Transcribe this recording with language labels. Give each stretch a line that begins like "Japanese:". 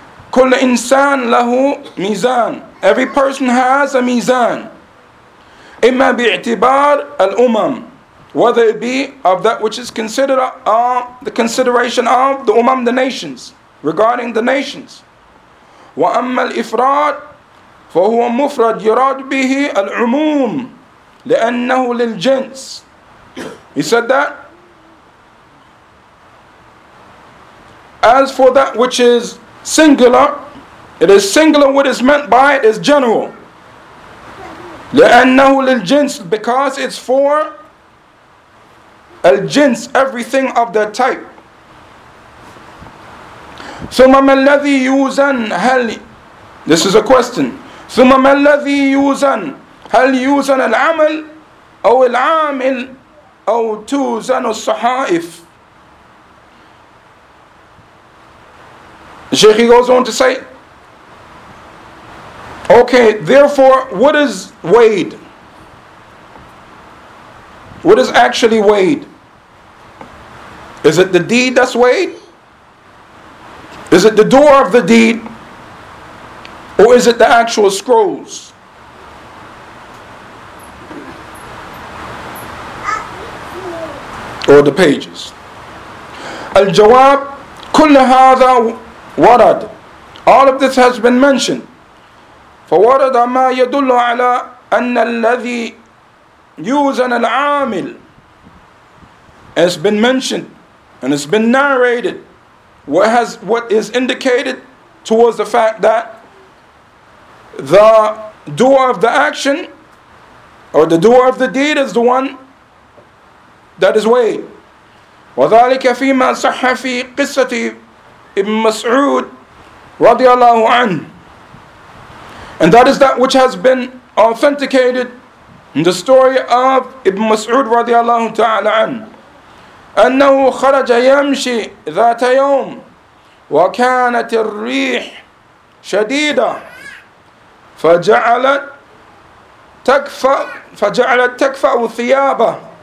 Arabic: كل إنسان له ميزان.
English: Every person has a
Arabic: ميزان. إما باعتبار الأمم.
English: Whether it be of that which is considered the consideration of the أمم, the nations, regarding the nations.
Arabic: وأما الإفراد فهو مفرد يراد به العموم لأنه للجنس.
English: He said that as for that which is singular, it is singular, what is meant by it is general.
Arabic: لِأَنَّهُ لِلْجِنْسِ,
English: because it's for الْجِنْسِ, everything of that type.
Arabic: ثُمَّ مَا الَّذِي يُوزَنْ هَلْ,
English: this is a question.
Arabic: ثُمَّ مَا الَّذِي يُوزَنْ هل يوزن العمل أو العامل أو توزن الصحائف.
English: Sheikh goes on to say, okay, therefore, what is weighed? What is actually weighed? Is it the deed that's weighed? Is it the door of the deed? Or is it the actual scrolls? Or the pages?
Arabic: Al-jawab, كل هذا ورد.
English: All of this has been mentioned.
Arabic: فورد ما يدل على أن الذي يوزن العامل.
English: It's been mentioned and it's been narrated. What is indicated towards the fact that the doer of the action or the doer of the deed is the one that is weighed.
Arabic: وذلك فيما صح في قصة ابن مسعود رضي الله عنه.
English: And that is that which has been authenticated in the story of Ibn Mas'ud radiallahu ta'ala an.
Arabic: أَنَّهُ خَرَجَ يَمْشِي ذَاتَ يَوْمِ وَكَانَتِ الرِّيحِ شَدِيدًا فَجَعَلَتْ تَكْفَأُ ثِيَابَهُ.